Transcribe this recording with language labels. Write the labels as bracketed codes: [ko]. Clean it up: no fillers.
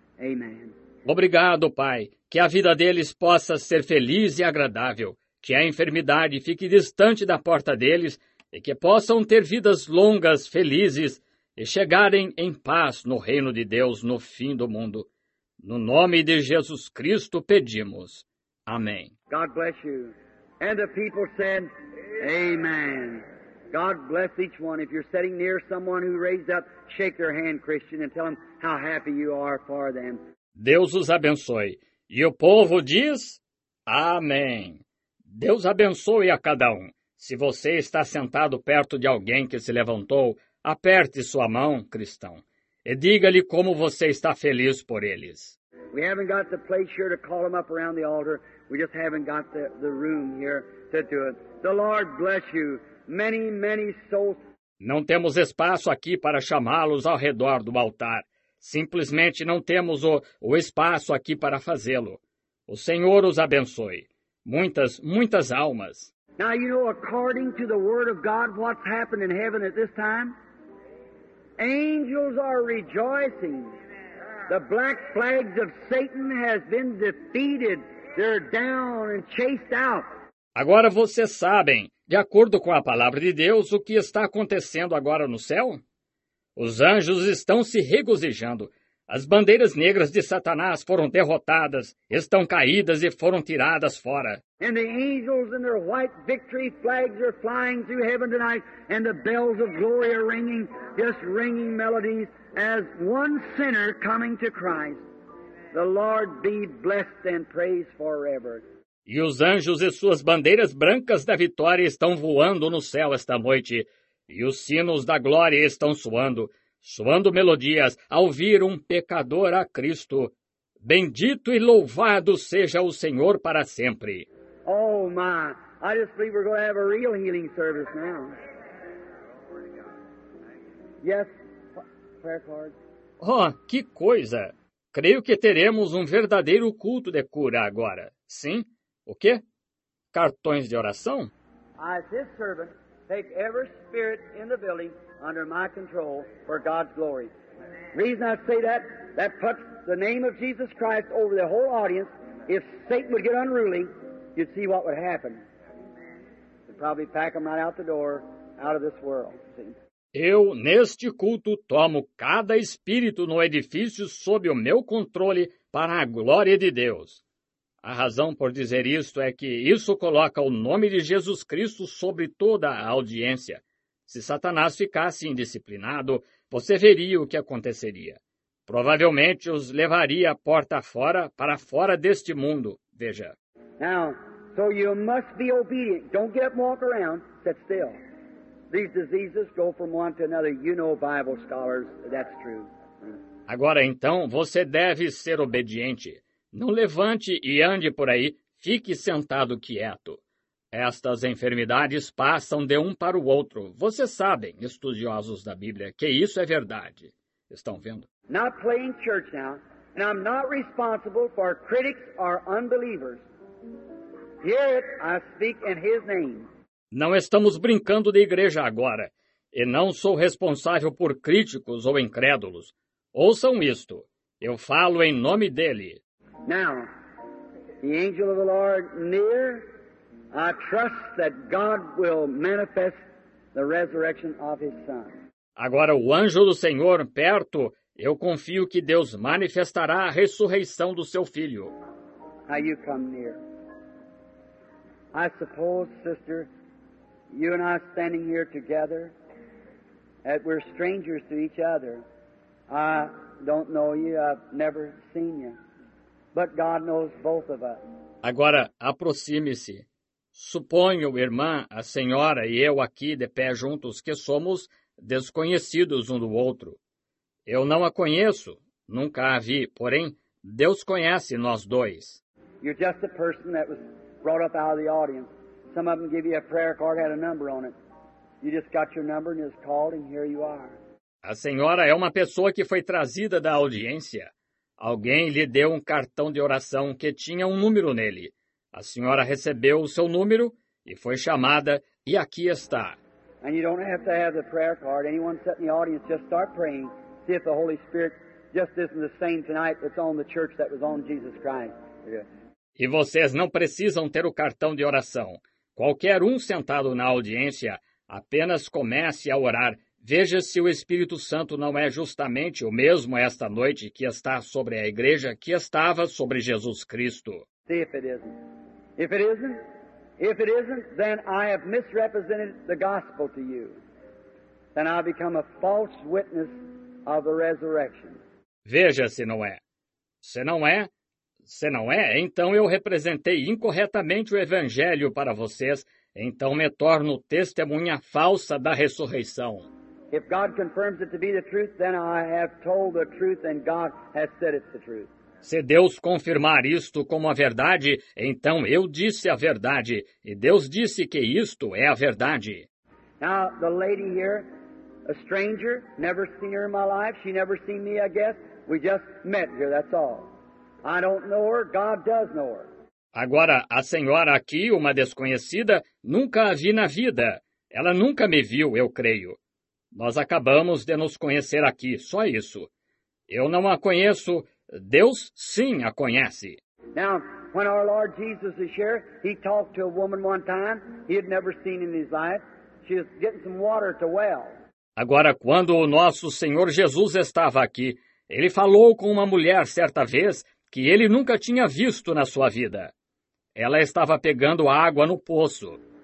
[en] Amen. [pt] Obrigado, Pai, que a vida deles possa ser feliz e agradável, que a enfermidade fique distante da porta deles e que possam ter vidas longas, felizes e chegarem em paz no reino de Deus no fim do mundo. No nome de Jesus Cristo pedimos. Amém. [en] God bless you. And the people said, Amen. God bless each one. If you're sitting near someone who raised up, shake their hand, Christian, and tell them how happy you are for them. [pt] Deus os abençoe. E o povo diz, Amém. Deus abençoe a cada um. Se você está sentado perto de alguém que se levantou, aperte sua mão, cristão, e diga-lhe como você está feliz por eles. [en] We haven't got the place here to call them up around the altar. We just haven't got the room here to do it. The Lord bless you. Many, many souls. [pt] Não temos espaço aqui para chamá-los ao redor do altar. Simplesmente não temos o espaço aqui para fazê-lo. O Senhor os abençoe. Muitas, muitas almas. [en] Now, you know, according to the word of God, what's happened in heaven at this time? Angels are rejoicing. The black flags of Satan has been defeated. They're down and chased out. [pt] Agora vocês sabem. De acordo com a palavra de Deus, o que está acontecendo agora no céu? Os anjos estão se regozijando. As bandeiras negras de Satanás foram derrotadas, estão caídas e foram tiradas fora. [en] And the angels and their white victory flags are flying through heaven tonight, and the bells of glory are ringing, just ringing melodies as one sinner coming to Christ. The Lord be blessed and praised forever. [pt] E os anjos e suas bandeiras brancas da vitória estão voando no céu esta noite, e os sinos da glória estão soando. Soando melodias ao vir um pecador a Cristo. Bendito e louvado seja o Senhor para sempre. [en] Oh, my. I just believe we're going to have a real healing service now. Yes, prayer card. [pt] Oh, que coisa. Creio que teremos um verdadeiro culto de cura agora. Sim? O quê? Cartões de oração? [en] As his servant, take every spirit in the building under my control for God's glory. The reason I say that, that puts the name of Jesus Christ over the whole audience. If Satan would get unruly, you'd see what would happen. They'd probably pack them right out the door, out of this world. See? [pt] Eu, neste culto, tomo cada espírito no edifício sob o meu controle para a glória de Deus. A razão por dizer isto é que isso coloca o nome de Jesus Cristo sobre toda a audiência. Se Satanás ficasse indisciplinado, você veria o que aconteceria. Provavelmente os levaria porta fora, para fora deste mundo. Veja. [en] Now, so you must be obedient. Don't get up and walk around. Sit still. These diseases go from one to another. You know, Bible scholars, that's true. [pt] Agora então, você deve ser obediente. Não levante e ande por aí. Fique sentado quieto. Estas enfermidades passam de um para o outro. Vocês sabem, estudiosos da Bíblia, que isso é verdade. Estão vendo? [en] Not playing church now, and I'm not responsible for critics or unbelievers. Yet I speak in his name. [pt] Não estamos brincando de igreja agora, e não sou responsável por críticos ou incrédulos. Ouçam isto. Eu falo em nome dele. [en] Now, the angel of the Lord near. I trust that God will manifest the resurrection of his son. [pt] Agora o anjo do Senhor perto, eu confio que Deus manifestará a ressurreição do seu filho. [en] How you come near. I suppose, sister, you and I standing here together, that we're strangers to each other. I don't know you, I've never seen you. But God knows both of us. [pt] Agora aproxime-se. Suponho, irmã, a senhora e eu aqui de pé juntos que somos desconhecidos um do outro. Eu não a conheço, nunca a vi, porém, Deus conhece nós dois. [en] You're just a person that was brought up out of the audience. Some of them give you a prayer card, had a number on it. You just got your number and it was called and here you are. [pt] A senhora é uma pessoa que foi trazida da audiência. Alguém lhe deu um cartão de oração que tinha um número nele. A senhora recebeu o seu número e foi chamada, e aqui está. [en] And you don't have to have the prayer card. Anyone sitting in the audience, just start praying. See if the Holy Spirit just isn't the same tonight that's on the church that was on Jesus Christ. Yeah. [pt] E vocês não precisam ter o cartão de oração. Qualquer um sentado na audiência, apenas comece a orar. Veja se o Espírito Santo não é justamente o mesmo esta noite que está sobre a igreja que estava sobre Jesus Cristo. [en] See if it isn't. If it isn't, then I have misrepresented the gospel to you. Then I become a false witness of the resurrection. [pt] Veja se não é. Se não é, então eu representei incorretamente o evangelho para vocês, então me torno testemunha falsa da ressurreição. [en] If God confirms it to be the truth, then I have told the truth and God has said it's the truth. [pt] Se Deus confirmar isto como a verdade, então eu disse a verdade, e Deus disse que isto é a verdade. [en] Now, the lady here, a stranger, never seen her in my life, she never seen me, I guess. We just met here, that's all. I don't know her, God does know her. [pt] Agora, a senhora aqui, uma desconhecida, nunca a vi na vida. Ela nunca me viu, eu creio. Nós acabamos de nos conhecer aqui, só isso. Eu não a conheço. Deus sim a conhece. [en] Now, when our Lord Jesus is here, he talked to a woman one time he had never seen in his life. She was getting some water at the well. [pt] Agora, quando o nosso Senhor Jesus estava aqui, Ele falou com uma mulher certa vez que ele nunca tinha visto na sua vida. Ela estava pegando água no poço.